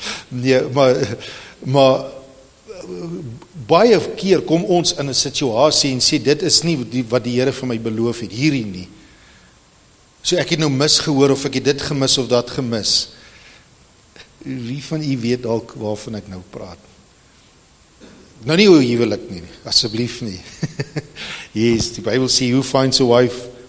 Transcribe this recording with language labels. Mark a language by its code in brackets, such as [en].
[af] Maar baie keer kom ons in 'n situasie en sê, dit is nie wat die Here vir my beloof het, hierdie nie. So ek het nou misgehoor, of ek het dit gemis of dat gemis. Wie van u weet al waarvan ek nou praat? Nou nie hoe huwelik nie, asseblief nie. [en] Yes, [af] die Bybel sê, [en] who finds a wife?